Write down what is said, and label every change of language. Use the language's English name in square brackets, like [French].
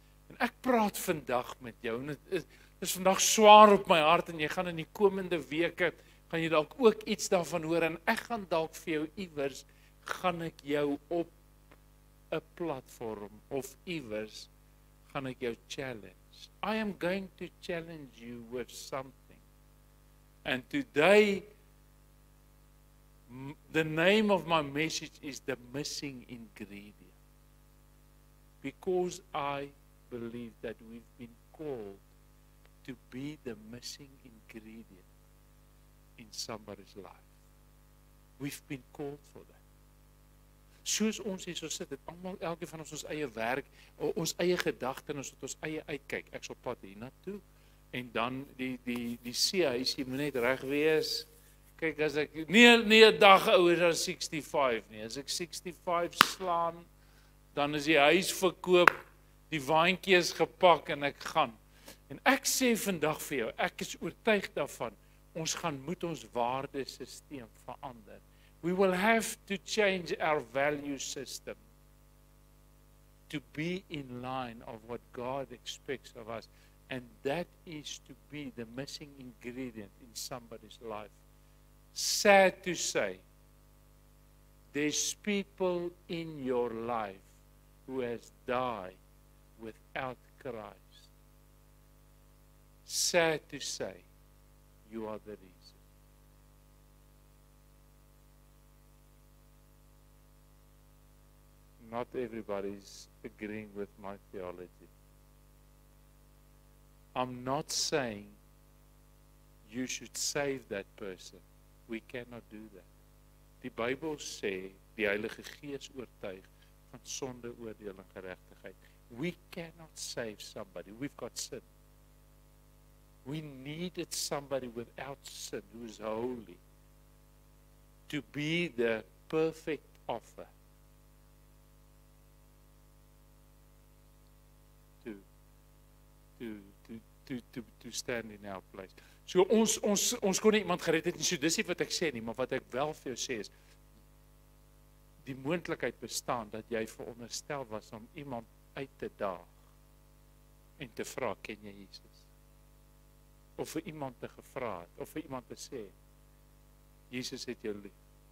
[Afrikaans] En ek praat vandag met jou, en is vandag swaar op my hart en jy gaan in die komende weke gaan jy dalk ook iets daarvan hoor en ek gaan dalk vir jou iewers gaan ek jou op 'n platform of iewers gaan ek jou challenge. [English] I am going to challenge you with something. And today the name of my message is the missing ingredient. Because I believe that we've been called to be the missing ingredient in somebody's life. We've been called for that. [Afrikaans] Soos ons hier so sit, het almal elke van ons eie werk, ons eie gedagte, ons het ons eie uitkyk. Ek sal pad hier na toe, en dan die CIC moet net reg wees. Kyk, as ek, nie een dag ouer dan 65 nie, as ek 65 slaan, dan is die huis verkoop, die waantjie is gepak, en ek gaan. En ek sê vandag vir jou, ek is oortuig daarvan, ons gaan moet ons waardesisteem verander. [English] We will have to change our value system to be in line of what God expects of us. And that is to be the missing ingredient in somebody's life. Sad to say, there's people in your life who has died without Christ. Sad to say, you are the reason. Not everybody's agreeing with my theology. I'm not saying you should save that person. We cannot do that. [Afrikaans] die Bybel sê, die Heilige Gees oortuig van sonde, oordeel en geregtigheid. [English] We cannot save somebody. We've got sin. We needed somebody without sin who is holy to be the perfect offer to stand in our place. [Afrikaans] So ons kon nie iemand gered het, en so dis nie wat ek sê nie, maar wat ek wel vir jou sê is, die moontlikheid bestaan dat jy veronderstel was om iemand uit te daag en te vra, ken jy Jesus? Of vir iemand te gevra het, of vir iemand te sê, Jesus het jou lief.